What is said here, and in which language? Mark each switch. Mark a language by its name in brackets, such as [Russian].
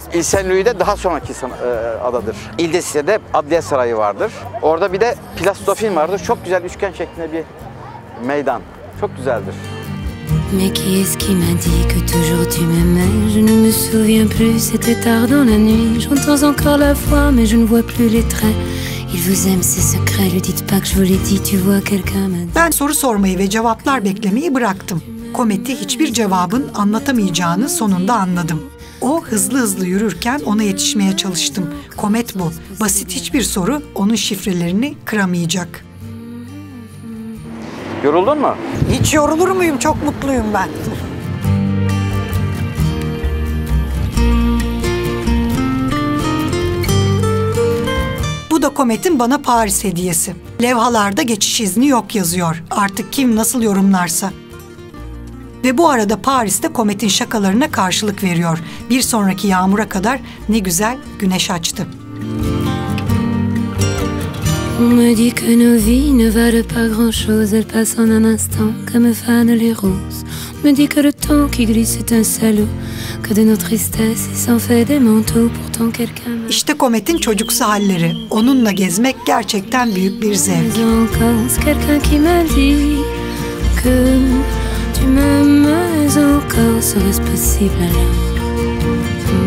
[Turkish] Île Saint-Louis'de daha sonraki adadır. Île des Cités'de Adliye Sarayı vardır. Orada bir de Place Dauphine vardır. Çok güzel üçgen şeklinde bir meydan. Çok güzeldir. [French] Mais qui est-ce qui m'a dit que toujours tu m'aimais? Je ne me souviens plus, c'était tard dans la nuit. J'entends encore la voix, mais je ne vois plus les traits. Il vous aime, c'est secret, lui dites pas que je vous l'ai dit, tu vois quelqu'un m'a dit. [Turkish] Ben soru sormayı ve cevaplar beklemeyi bıraktım. Komet'i hiçbir cevabın anlatamayacağını sonunda anladım. O hızlı hızlı yürürken ona yetişmeye çalıştım. Komet bu. Basit hiçbir soru onun şifrelerini kıramayacak. Yoruldun mu? Hiç yorulur muyum? Çok mutluyum ben. Bu da Komet'in bana Paris hediyesi. Levhalarda geçiş izni yok yazıyor. Artık kim nasıl yorumlarsa. Ve bu arada Paris de Komet'in şakalarına karşılık veriyor. Bir sonraki yağmura kadar ne güzel güneş açtı. [French] On me dit que nos vies ne valent pas grand chose, elles passent en un instant comme fanent les roses. On me dit que le temps qui glisse est un salaud, que de nos tristesses il s'en fait des manteaux, pourtant quelqu'un. [Turkish] İşte Komet'in çocuksu halleri. Onunla gezmek gerçekten büyük bir zevk. [French] Quelqu'un qui m'a dit que tu m'aimes encore, serait-ce possible alors?